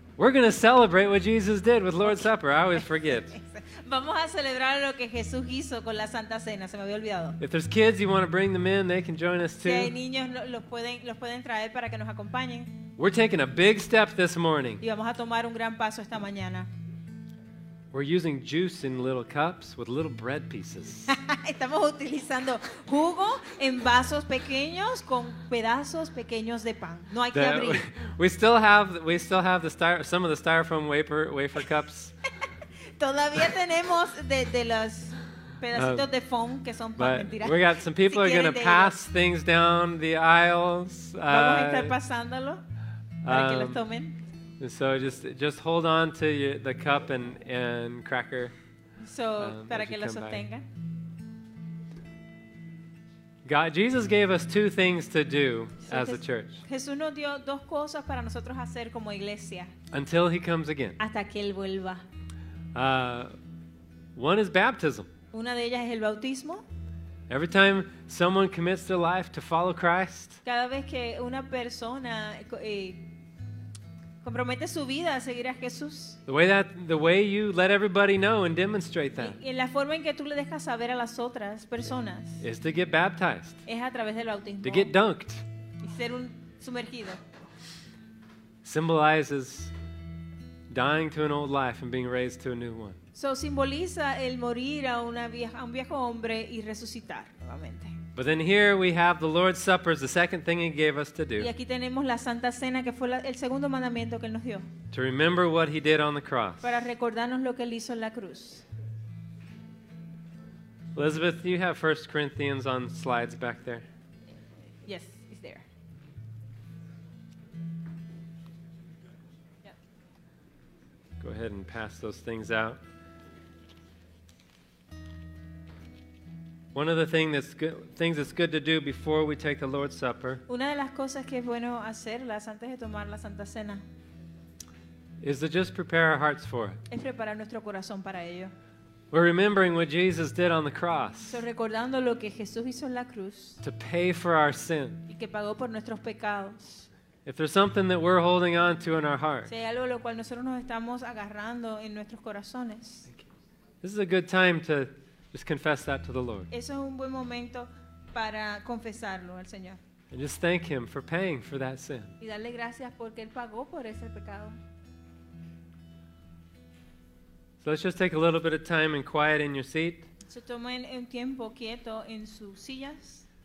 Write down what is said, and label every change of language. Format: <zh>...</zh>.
<en>We're going to celebrate what Jesus did with Lord's Supper. I always forget.</en> <es>Vamos a celebrar lo que Jesús hizo con la Santa Cena. Se me había olvidado.</es> <en>If there's kids, you want to bring them in, they can join us too.</en> <es>Si hay niños, los pueden traer para que nos acompañen.</es> <en>We're taking a big step this morning.</en> <es>Y vamos a tomar un gran paso esta mañana.</es> <en>We're using juice in little cups with little bread pieces.</en> <es>Estamos utilizando jugo en vasos pequeños con pedazos pequeños de pan. No hay que abrir.</es> <en>We still have some of the styrofoam wafer cups.</en> <es>Todavía tenemos de los pedacitos de foam que son pan, mentira.</es> <en>We got some people are going to pass things down the aisles.</en> <es>Vamos a estar pasándolo para que los tomen.</es> <en>And so just hold on to the cup and cracker.</en> <es>So para que lo sostenga.</es> <en>God, Jesus gave us two things to do as a church.</en> <es>Jesús nos dio dos cosas para nosotros hacer como iglesia.</es> <en>Until he comes again.</en> <es>Hasta que él vuelva.</es> <en>One is baptism.</en> <es>Una de ellas es el bautismo.</es> <en>Every time someone commits their life to follow Christ.</en> <es>Cada vez que una persona Compromete su vida a seguir a Jesús.</es> <en>The way you let everybody know and demonstrate that.</en> <es>Y la forma en que tú le dejas saber a las otras personas.</es> <en>Is to get baptized.</en> <es>Es a través del bautismo.</es> <en>To get dunked.</en> <es>Y ser un sumergido.</es> <en>Symbolizes dying to an old life and being raised to a new one.</en> <es>So simboliza el morir a una vieja, a un viejo hombre y resucitar nuevamente.</es> <en>But then here we have the Lord's Supper, the second thing He gave us to do.</en> <es>Y aquí tenemos la Santa Cena, que fue el segundo mandamiento que Él nos dio.</es> <en>To remember what He did on the cross.</en> <es>Para recordarnos lo que Él hizo en la cruz.</es> <en>Elizabeth, you have 1 Corinthians on slides back there. Yes, it's there. Yep. Go ahead and pass those things out. One of the things that's good to do before we take the Lord's Supper.</en> <es>Una de las cosas que es bueno hacerlas antes de tomar la Santa Cena.</es> <en>Is to just prepare our hearts for it.</en> <es>Es preparar nuestro corazón para ello.</es> <en>We're remembering what Jesus did on the cross.</en> <es>So recordando lo que Jesús hizo en la cruz.</es> <en>To pay for our sin.</en> <es>Y que pagó por nuestros pecados.</es> <en>If there's something that we're holding on to in our heart.</en> <es>Si hay algo lo cual nosotros nos estamos agarrando en nuestros corazones.</es> <en>This is a good time to. Just confess that to the Lord.</en> <es>Eso es un buen momento para confesarlo al Señor.</es> <en>And just thank Him for paying for that sin.</en> <es>Y darle gracias porque Él pagó por ese pecado.</es> <en>So let's just take a little bit of time and quiet in your seat.</en> <es>So tomen un tiempo quieto en sus sillas.</es>